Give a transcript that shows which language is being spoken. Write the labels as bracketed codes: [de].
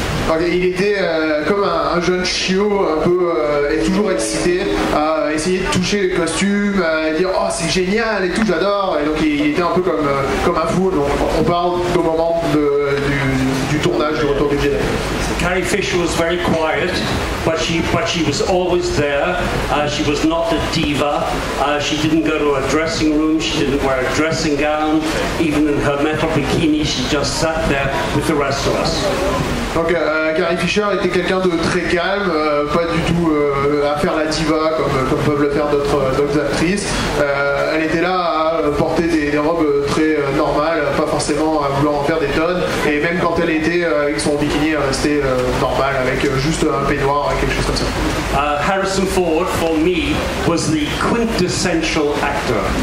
[fr] Okay, il était comme un jeune chiot, un peu, et toujours excité à essayer de toucher les costumes, à dire « Oh, c'est génial et tout, j'adore !» Et donc il était un peu comme un fou. Donc on parle au moment du tournage du Retour du Jedi. [en] Carrie Fisher was very quiet, but she was always there. She was not a diva. She didn't go to a dressing room. She didn't wear a dressing gown. Even in her metal bikini, she just sat there with the rest of us. [fr] Donc Carrie Fisher était quelqu'un de très calme, pas du tout à faire la diva comme peuvent le faire d'autres actrices. Elle était là à porter des robes très normales, pas forcément à vouloir en faire des tonnes. Et même quand elle était avec son bikini, elle restait normale, avec juste un peignoir, quelque chose comme ça. [en] Harrison Ford, for me, was the quintessential actor.